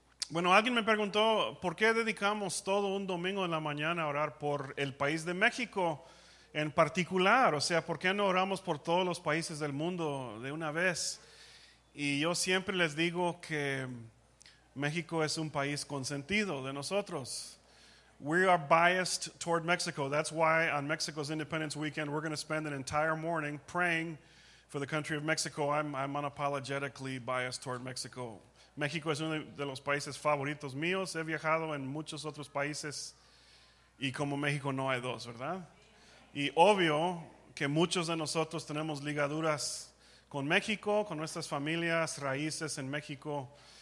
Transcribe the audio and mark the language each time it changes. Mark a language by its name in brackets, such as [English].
[Spanish] Bueno, alguien me preguntó por qué dedicamos todo un domingo en la mañana a orar por el país de México en particular. O sea, ¿por qué no oramos por todos los países del mundo de una vez? Y yo siempre les digo que México es un país consentido de nosotros. [English] We are biased toward Mexico. That's why on Mexico's Independence Weekend, we're going to spend an entire morning praying for the country of Mexico. I'm unapologetically biased toward Mexico. [Spanish] México es uno de los países favoritos míos. He viajado en muchos otros países. Y como México no hay dos, ¿verdad? Y obvio que muchos de nosotros tenemos ligaduras con México, con nuestras familias, raíces en México.